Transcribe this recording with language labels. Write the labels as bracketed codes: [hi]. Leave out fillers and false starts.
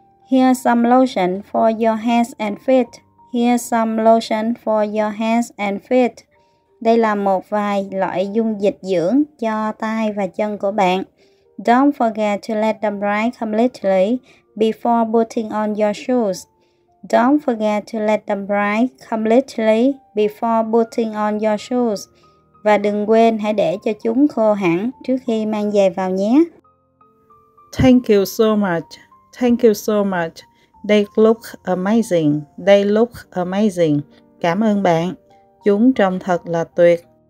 [en] Here's some lotion for your hands and feet. Here's some lotion for your hands and feet. [vi] Đây là một vài loại dung dịch dưỡng cho tay và chân của bạn. [en] Don't forget to let them dry completely before putting on your shoes. Don't forget to let them dry completely before putting on your shoes. [vi] Và đừng quên hãy để cho chúng khô hẳn trước khi mang giày vào nhé. [en] Thank you so much. Thank you so much. They look amazing. They look amazing. [vi] Cảm ơn bạn. Chúng trông thật là tuyệt.